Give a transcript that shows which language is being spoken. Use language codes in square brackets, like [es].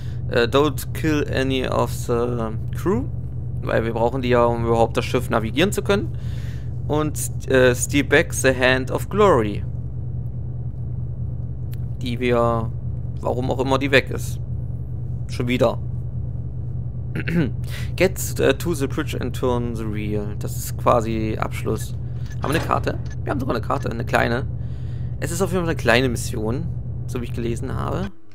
[en] Don't kill any of the crew. [de] Weil wir brauchen die ja, um überhaupt das Schiff navigieren zu können. Und [en] steal back the Hand of Glory. [de] Die wir, warum auch immer die weg ist. Schon wieder. [en] Get to the bridge and turn the wheel. [de] Das ist quasi Abschluss. Haben wir eine Karte? Wir haben sogar eine Karte, eine kleine. Es ist auf jeden Fall eine kleine Mission, so wie ich gelesen habe.